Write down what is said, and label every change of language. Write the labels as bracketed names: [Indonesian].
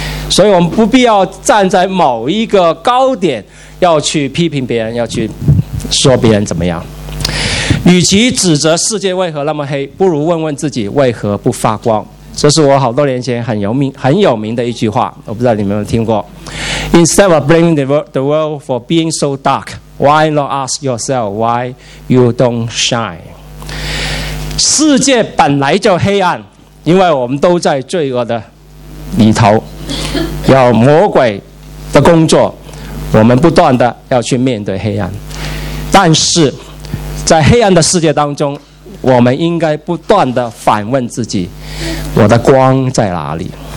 [Chinese] 所以我们不必要站在某一个高点要去批评别人，要去说别人怎么样。与其指责世界为何那么黑，不如问问自己为何不发光。这是我好多年前很有名的一句话，我不知道你们有没有听过。 [English] Instead of blaming the world for being so dark, why not ask yourself why you don't shine? [Chinese] 世界本来就黑暗，因为我们都在罪恶的里头，有魔鬼的工作，我们不断的要去面对黑暗。但是在黑暗的世界当中，我们应该不断地反问自己，我的光在哪里？